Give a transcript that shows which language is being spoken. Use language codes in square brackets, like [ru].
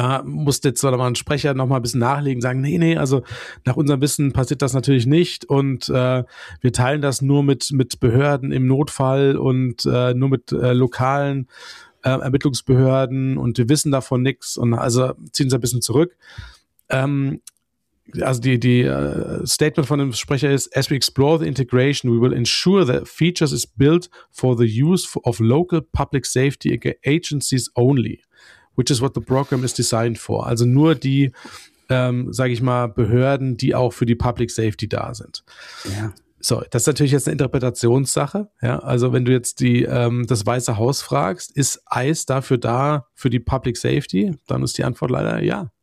[de] Musste jetzt nochmal ein Sprecher nochmal ein bisschen nachlegen, sagen, nee, also nach unserem Wissen passiert das natürlich nicht und wir teilen das nur mit Behörden im Notfall und nur mit lokalen Ermittlungsbehörden und wir wissen davon nichts und also ziehen sie ein bisschen zurück. Also die Statement von dem Sprecher ist, [en] as we explore the integration, we will ensure that features is built for the use of local public safety agencies only, which is what the program is designed for. [de] Also nur die, sage ich mal, Behörden, die auch für die Public Safety da sind. Ja. So, das ist natürlich jetzt eine Interpretationssache. Ja? Also wenn du jetzt die das Weiße Haus fragst, ist ICE dafür da, für die Public Safety? Dann ist die Antwort leider ja.